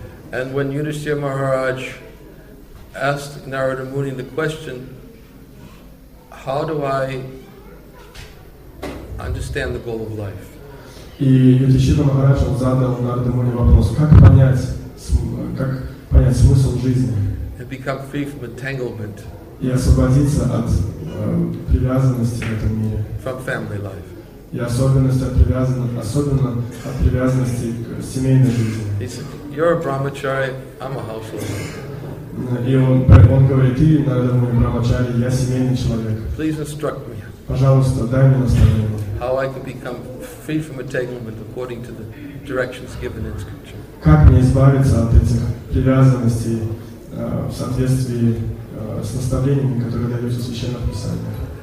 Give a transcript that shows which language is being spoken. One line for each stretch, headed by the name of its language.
English: And when Yudhishthira Maharaj asked Narada Muni the question, how do I understand the goal of life?
Russian: И Юдхиштхира Махарадж задал Нарада Муни вопрос: как понять смысл жизни?
English: And become free from entanglement.
Russian: И освободиться от привязанности в этом мире.
English: From family life.
Russian: И особенно от привязанности к семейной жизни.
English: He said, "You're a brahmachari, I'm a householder."
Russian: И он говорит: ты, Нарада Муни, брахмачари, я семейный человек.
English: Please instruct me.
Russian: Пожалуйста, дай мне наставление.
English: How I can become free from entanglement according to the directions given in scripture.
Russian: Как мне избавиться от этих привязанностей в соответствии с наставлениями, которые даются в священных писаниях?